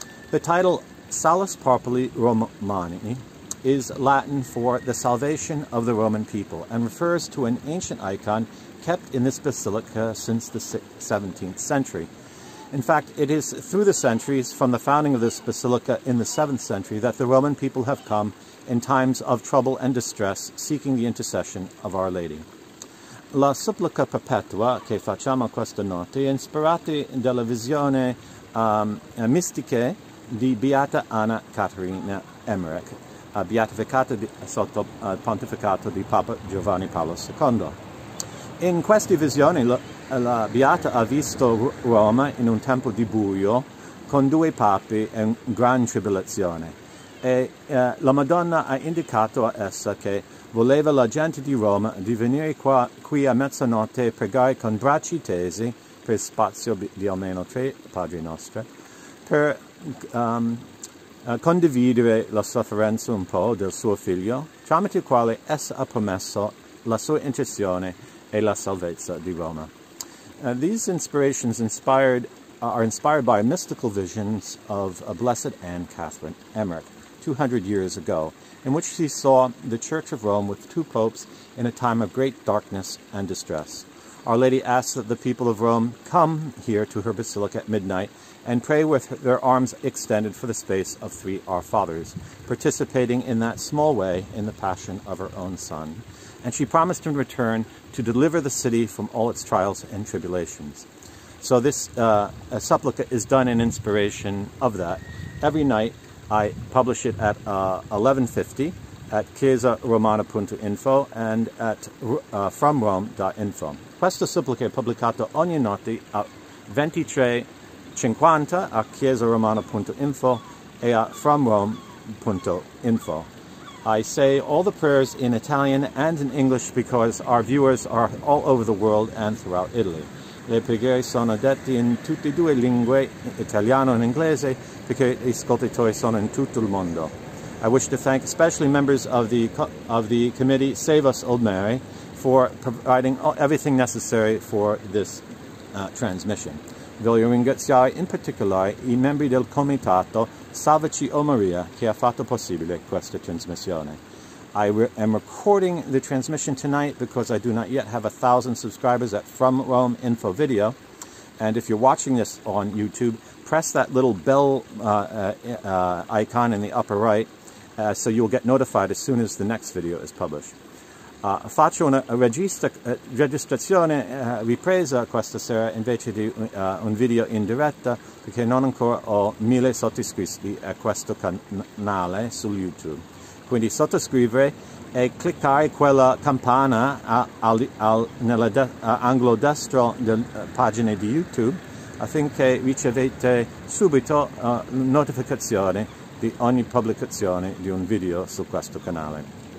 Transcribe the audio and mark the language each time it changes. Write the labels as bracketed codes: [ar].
[en] The title Salus Populi Romani is Latin for the salvation of the Roman people and refers to an ancient icon kept in this basilica since the 17th century. In fact, it is through the centuries from the founding of this basilica in the 7th century that the Roman people have come in times of trouble and distress seeking the intercession of Our Lady. [it] La supplica perpetua che facciamo questa notte è ispirata dalla visione mistica di Beata Anna Caterina Emmerich, beatificata sotto il pontificato di Papa Giovanni Paolo II. In queste visioni, la Beata ha visto Roma in un tempo di buio, con due papi e gran tribolazione, e la Madonna ha indicato a essa che voleva la gente di Roma di venire qui a mezzanotte e pregare con bracci tesi, per spazio di almeno tre Padri Nostri, per condividere la sofferenza un po' del suo figlio, tramite il quale essa ha promesso la sua intercessione e la salvezza di Roma. [en] These inspirations are inspired by mystical visions of a Blessed Anne Catherine Emmerich 200 years ago, in which she saw the Church of Rome with two popes in a time of great darkness and distress. Our Lady asked that the people of Rome come here to her basilica at midnight and pray with their arms extended for the space of three Our Fathers, participating in that small way in the passion of her own Son. And she promised in return to deliver the city from all its trials and tribulations. So this supplica is done in inspiration of that. Every night I publish it at 11:50 at chiesaromana.info and at fromrome.info. [it] Questa supplica è pubblicata ogni notte a 23:50 a chiesaromana.info e a fromrome.info. [en] I say all the prayers in Italian and in English because our viewers are all over the world and throughout Italy. [it] Le preghiere sono dette in tutte e due lingue, italiano and inglese, perché gli ascoltatori sono in tutto il mondo. [en] I wish to thank especially members of the committee Save Us Old Mary for providing everything necessary for this transmission. [it] Voglio ringraziare in particolare I membri del comitato Salvaci o Maria che ha fatto possibile questa trasmissione. [en] I am recording the transmission tonight because I do not yet have 1,000 subscribers at From Rome Info Video. And if you're watching this on YouTube, press that little bell icon in the upper right so you'll get notified as soon as the next video is published. [it] Faccio una registrazione ripresa questa sera invece di un video in diretta perché non ancora ho 1,000 sottoscritti a questo canale su YouTube. Quindi sottoscrivere e cliccare quella campana nell'angolo destro della pagina di YouTube affinché ricevete subito notificazione di ogni pubblicazione di un video su questo canale.